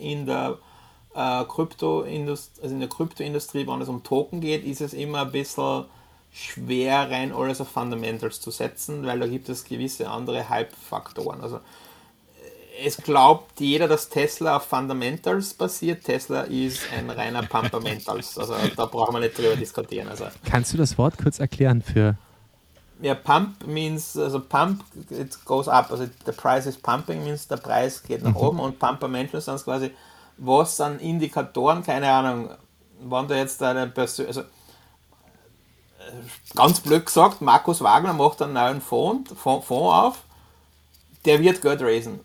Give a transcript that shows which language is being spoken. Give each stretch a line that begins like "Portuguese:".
German: In der Krypto-Industrie, also in der Krypto-Industrie, wenn es um Token geht, ist es immer ein bisschen schwer, rein alles auf Fundamentals zu setzen, weil da gibt es gewisse andere Hype-Faktoren. Also es glaubt jeder, dass Tesla auf Fundamentals basiert. Tesla ist ein reiner Pumpamentals. Also da brauchen wir nicht drüber diskutieren. Also, kannst du das Wort kurz erklären für?
English: Ja, Pump means, also Pump, it goes up.
German: Also
English: the price is pumping means,
German: der Preis geht nach oben. Und Pumpamentals sind quasi, was sind Indikatoren? Keine Ahnung, wann du jetzt deine Person, also ganz blöd gesagt, Markus Wagner macht einen neuen Fonds auf. Der wird Geld raisen.